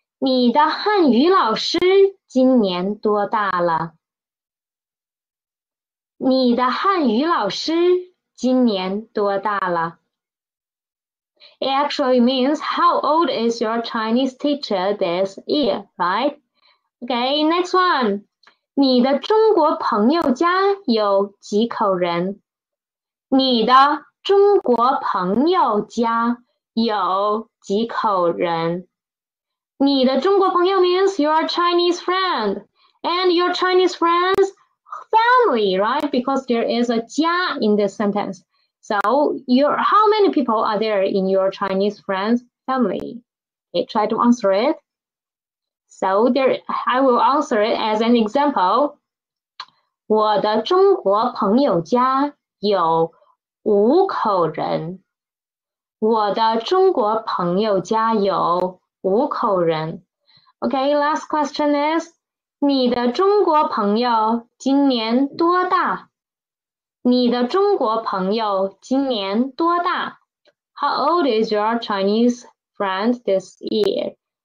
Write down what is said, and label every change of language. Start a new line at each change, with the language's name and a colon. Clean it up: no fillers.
Chinese: 你的汉语老师今年多大了？你的汉语老师今年多大了?
English: It actually means, how old is your Chinese teacher this year, right? Okay, next one.
Chinese: 你的中国朋友家有几口人? 你的中国朋友家有几口人? 你的中国朋友
English: means your Chinese friend. And your Chinese friends,family, right? Because there is a 家 in this sentence. So, how many people are there in your Chinese friend's family? Okay, try to answer it. So, I will answer it as an example.
Chinese: 我的中国朋友家有五口人。我的中国朋友家有五口人。
English: Okay, last question is,
Chinese: 你的中国朋友今年多大？你的中国朋友今年多大？
English: How old is your Chinese friend this year?